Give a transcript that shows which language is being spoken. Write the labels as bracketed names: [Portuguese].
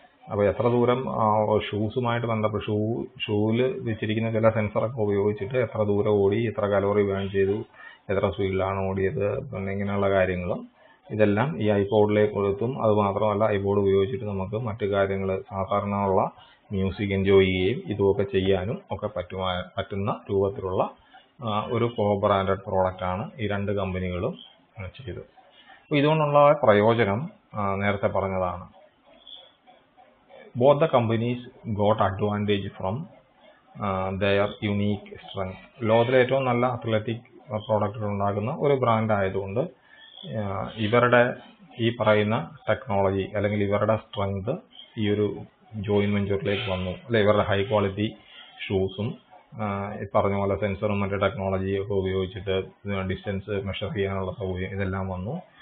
[Malayalam] അപ്പോൾ എത്ര ദൂരം ഷൂസുമായിട്ട് ബന്ധപ്പെട്ട് ഷൂവിൽ വെച്ചിരിക്കുന്ന ചില സെൻസറൊക്കെ ഉപയോഗിച്ചിട്ട് എത്ര ദൂരം ഓടി, എത്ര കലോറി ബേൺ ചെയ്തു, എത്ര സ്പീഡിലാണ് ഓടിയത് എന്നിങ്ങനെയുള്ള കാര്യങ്ങളും ഇതെല്ലാം ഈ ഐപോഡിലേക്ക് കൊടുത്തും, അതുമാത്രമല്ല ഐപോഡ് ഉപയോഗിച്ചിട്ട് നമുക്ക് മറ്റു കാര്യങ്ങൾ സാധാരണയുള്ള മ്യൂസിക് എൻജോയ് ചെയ്യുകയും ഇതുമൊക്കെ ചെയ്യാനും ഒക്കെ പറ്റുന്ന രൂപത്തിലുള്ള ഒരു കോ ബ്രാൻഡഡ് പ്രോഡക്റ്റാണ് ഈ രണ്ട് കമ്പനികളും ചെയ്തത്. അപ്പോൾ ഇതുകൊണ്ടുള്ള പ്രയോജനം നേരത്തെ പറഞ്ഞതാണ്. [English] Both the companies got advantage from their unique strength. [Malayalam] ലോകത്തിലെ ഏറ്റവും നല്ല അത്ലറ്റിക് പ്രോഡക്റ്റുകൾ ഉണ്ടാക്കുന്ന ഒരു ബ്രാൻഡ് ആയതുകൊണ്ട് ഇവരുടെ ഈ പറയുന്ന ടെക്നോളജി അല്ലെങ്കിൽ ഇവരുടെ സ്ട്രെങ്ത് ഈ ഒരു ജോയിൻ വെഞ്ചറിലേക്ക് വന്നു, അല്ലെ ഇവരുടെ ഹൈ ക്വാളിറ്റി ഷൂസും പറഞ്ഞ പോലെ സെൻസറും മറ്റു ടെക്നോളജിയും ഒക്കെ ഉപയോഗിച്ചിട്ട് ഡിസ്റ്റൻസ് മെഷർ ചെയ്യാനുള്ള സൗകര്യം ഇതെല്ലാം വന്നു.